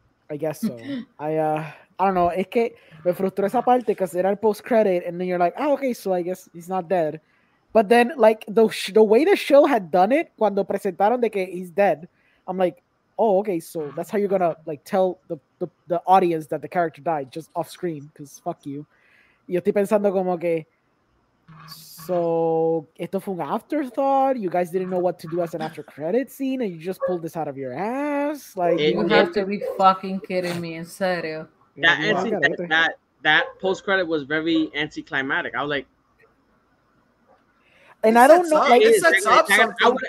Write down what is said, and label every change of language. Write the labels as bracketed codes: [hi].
[en] I guess so. I don't know. [es] Es que me frustró esa parte [en] because [es] era el [en] post credit, and then you're like, okay, so I guess he's not dead. But then, like the way the show had done it, [es] cuando presentaron de que [en] he's dead, I'm like, oh, okay, so that's how you're gonna like tell the audience that the character died just off screen, because fuck you. [es] Yo estoy pensando como que, so esto fue un afterthought. [en] You guys didn't know what to do as an after credit scene, and you just pulled this out of your ass. Like, you have to be fucking kidding me, [es] en serio. [en] That post credit was very anticlimactic. I was like. And it I don't know. Like,